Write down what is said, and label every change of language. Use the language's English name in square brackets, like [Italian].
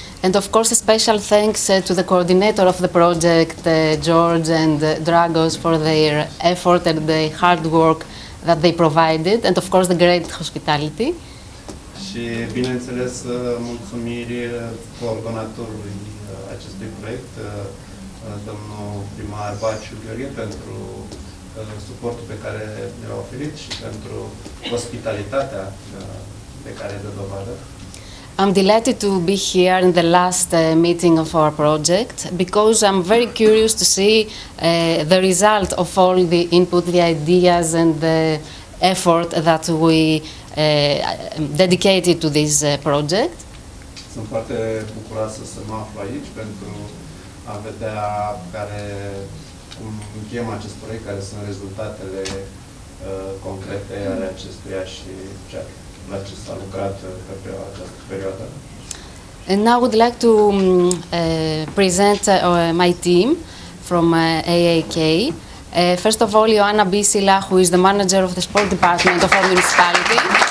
[English] And of course, a special thanks to the coordinator of the project, George and Dragos, for their effort and the hard work that they provided, and of course, the great hospitality. [Romanian] Și bineînțeles, mulțumiri coordonatorului acestui proiect, domnul primar Baciu Gheorghe, pentru suportul pe care ne-a oferit și pentru ospitalitatea pe care dă dovadă. [English] I'm delighted to be here in the last meeting of our project because I'm very curious to see the result of all the input, the ideas and the effort that we dedicated to this project. [Romanian] Sunt foarte bucuroasă să mă aflu aici pentru a vedea care cum încheiem acest proiect, care sunt rezultatele concrete ale acestuia și la ce s-a lucrat pe această perioadă. [English] And now I would like to present my team from AAK. First of all, Ioana Bisila, who is the manager of the sport department of our municipality.